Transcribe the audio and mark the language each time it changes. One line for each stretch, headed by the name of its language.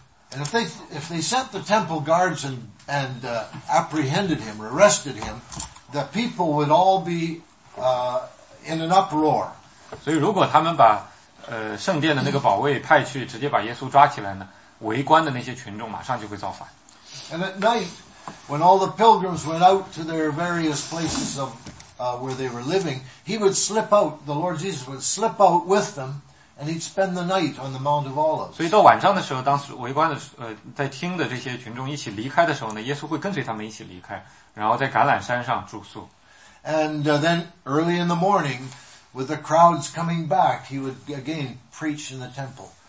English: And if they sent the temple guards and apprehended him or arrested him, the people would all be in an uproar.
Chinese: 所以如果他们把圣殿的那个保卫派去直接把耶稣抓起来呢，围观的那些群众马上就会造反。
English: And at night, when all the pilgrims went out to their various places of where they were living, he would slip out, the Lord Jesus would slip out with them, and he'd spend the night on the Mount of Olives.
Chinese: 所以到晚上的时候，当时围观的在听的这些群众一起离开的时候呢，耶稣会跟随他们一起离开，然后在橄榄山上住宿。
English: And then early in the morning, with the crowds coming back, he would again preach in the temple.